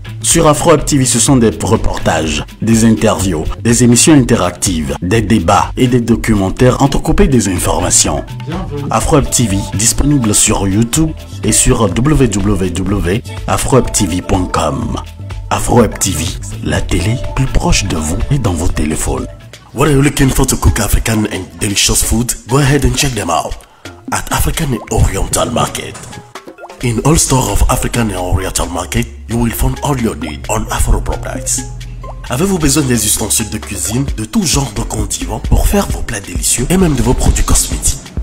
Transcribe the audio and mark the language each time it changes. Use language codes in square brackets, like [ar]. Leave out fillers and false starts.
[fr] Sur AfroWeb TV, ce sont des reportages, des interviews, des émissions interactives, des débats et des documentaires entrecoupés des informations. AfroWeb TV, disponible sur YouTube et sur www.afroweb.tv.com. AfroWeb TV, la télé plus proche de vous et dans vos téléphones. [en] What are you looking for to cook African and delicious food? Go ahead and check them out at African and Oriental Market. In all stores of African and Oriental Market, you will find all your need on Afro products. [fr] Avez-vous besoin des ustensiles de cuisine, de tout genre de condiments pour faire vos plats délicieux et même de vos produits cosmétiques?